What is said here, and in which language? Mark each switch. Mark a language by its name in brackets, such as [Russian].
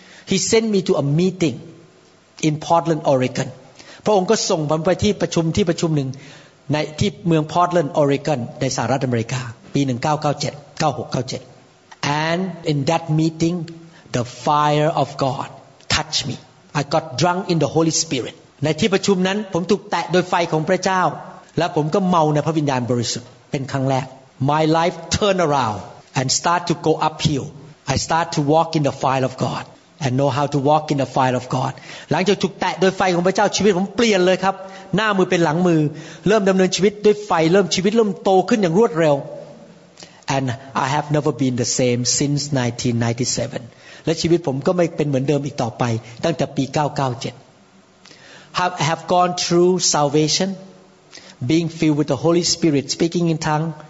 [English] He sent me to a meeting in Portland, Oregon [Thai] พระองค์ก็ส่งผมไปที่ประชุมที่ประชุมหนึ่งในที่เมือง Portland, Oregon ในสหรัฐอเมริกาปี1997 [English] And in that meetingThe fire of God touched me. I got drunk in the Holy Spirit. [Thai] ในที่ประชุมนั้นผมถูกแตะโดยไฟของพระเจ้าและผมก็เมาในพระวิญญาณบริสุทธิ์เป็นครั้งแรก [English] My life turned around and start to go uphill. I start to walk in the fire of God and know how to walk in the fire of God. [Thai] หลังจากถูกแตะโดยไฟของพระเจ้าชีวิตผมเปลี่ยนเลยครับหน้ามือเป็นหลังมือเริ่มดำเนินชีวิตด้วยไฟเริ่มชีวิตเริ่มโตขึ้นอย่างรวดเร็ว [English] And I have never been the same since 1997. [Thai] และชีวิตผมก็ไม่เป็นเหมือนเดิมอีกต่อไปตั้งแต่ปี997 [English] I have gone through salvation being filled with the Holy Spirit speaking in tongue